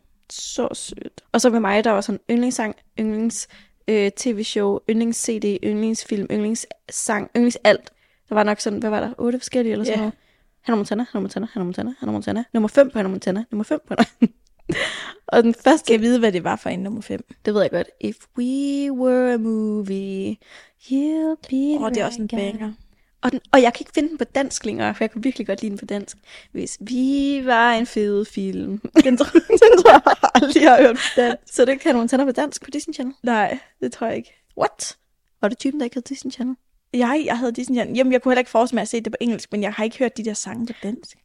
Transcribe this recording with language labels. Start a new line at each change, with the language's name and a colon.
Danish: Så sødt. Og så med mig, der var sådan yndlingssang, yndlings-tv-show, yndlings-CD, yndlingsfilm, yndlingssang, yndlings-alt. Der var nok sådan, 8 forskellige eller sådan noget. Hannah Montana. Nummer 5 på Hannah Montana. Og den første... Kan jeg vide, hvad det var for en nummer 5? Det ved jeg godt.
English: If we were a movie, you'd be my guy.
Danish: Åh, det er også en banger. Og jeg kan ikke finde den på dansk længere, for jeg kunne virkelig godt lide den på dansk. Hvis vi var en fed film. Den tror jeg aldrig, jeg har hørt på dansk. Så det kan man tage på dansk på Disney Channel? Nej, det tror jeg ikke.
English: What?
Danish: Var du typen, der ikke havde Disney Channel? Jeg havde Disney Channel. Jamen, jeg kunne heller ikke forestille mig at se det på engelsk, men jeg har ikke hørt de der sange på dansk.